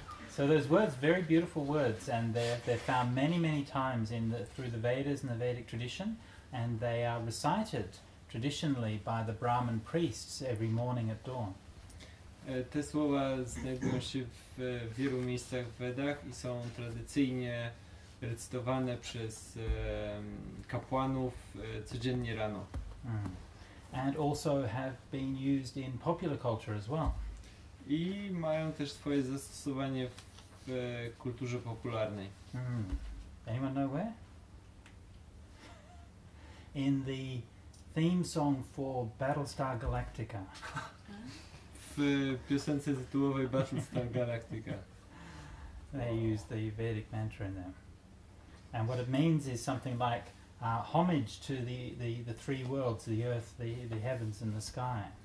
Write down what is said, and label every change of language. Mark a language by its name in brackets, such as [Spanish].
[English] So those words, very beautiful words, and they're found many, many times through the Vedas and the Vedic tradition. And they are recited traditionally by the Brahmin priests every morning at dawn. [Polish] Te słowa znajdują się w wielu miejscach w Vedach i są tradycyjnie recytowane przez kapłanów codziennie rano. Mm. [English] And also have been used in popular culture as well. [Polish] I mają też swoje zastosowanie w kulturze popularnej. [English] Mm. Anyone know where? In the theme song for Battlestar Galactica. [Polish] W piosence tytułowej Battlestar Galactica. [English] They use the Vedic mantra in them. And what it means is something like homage to the three worlds, the earth, the heavens and the sky.